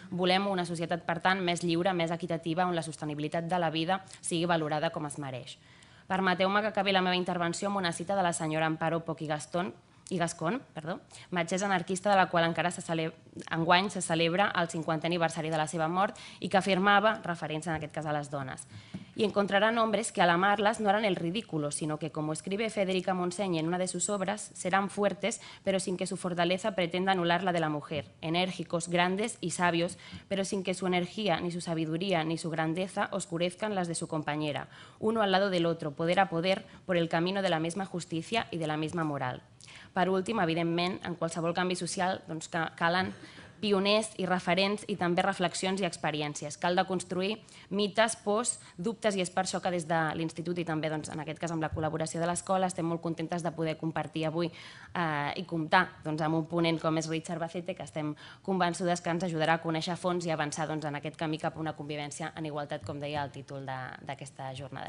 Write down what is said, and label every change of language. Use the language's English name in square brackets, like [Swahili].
[Catalan] Volem una societat, per tant, més lliure, més equitativa, on la sostenibilitat de la vida sigui valorada com es mereix. Permeteu-me que acabi la meva intervenció amb una cita de la senyora Amparo Poch i Gascón, metgessa anarquista de la qual encara enguany se celebra el 50è aniversari de la seva mort i que afirmava, referint-se en aquest cas a les dones, [Spanish] y encontrarán hombres que al amarlas no harán el ridículo, sino que, como escribe Federica Monseñe en una de sus obras, serán fuertes, pero sin que su fortaleza pretenda anular la de la mujer, enérgicos, grandes y sabios, pero sin que su energía, ni su sabiduría, ni su grandeza oscurezcan las de su compañera, uno al lado del otro, poder a poder, por el camino de la misma justicia y de la misma moral. [Catalan] Per últim, evidentment, en qualsevol canvi social, doncs, calen pioners i referents i també reflexions i experiències. Cal de construir mites, pors, dubtes, i és per això que des de l'Institut i també, doncs, en aquest cas amb la col·laboració de l'escola, estem molt contentes de poder compartir avui i comptar, doncs, amb un ponent com és Richard Bacete, que estem convençudes que ens ajudarà a conèixer a fons i avançar, doncs, en aquest camí cap a una convivència en igualtat, com deia el títol d'aquesta jornada.